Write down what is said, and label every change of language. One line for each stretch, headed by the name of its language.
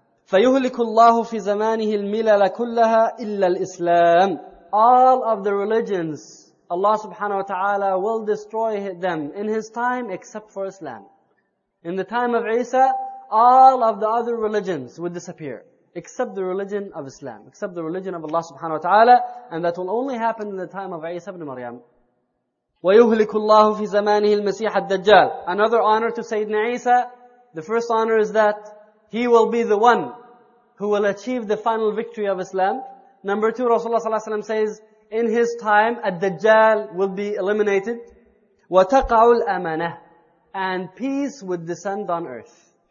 Arabic: فَيُهْلِكُ اللَّهُ فِي زَمَانِهِ الْمِلَلَ كُلَّهَا إِلَّا الْإِسْلَامِ
English: All of the religions, Allah subhanahu wa ta'ala will destroy them in his time except for Islam. In the time of Isa, all of the other religions would disappear except the religion of Islam, except the religion of Allah subhanahu wa ta'ala, and that will only happen in the time of Isa ibn Maryam.
Arabic: ويهلك الله في زمانه المسيح الدجال.
English: Another honor to Sayyidina Isa. The first honor is that he will be the one who will achieve the final victory of Islam. Number two, Rasulullah
Arabic: صلى الله عليه وسلم
English: says, in his time, الدجال will be eliminated.
Arabic: وتقع الأمانة.
English: And peace would descend on earth.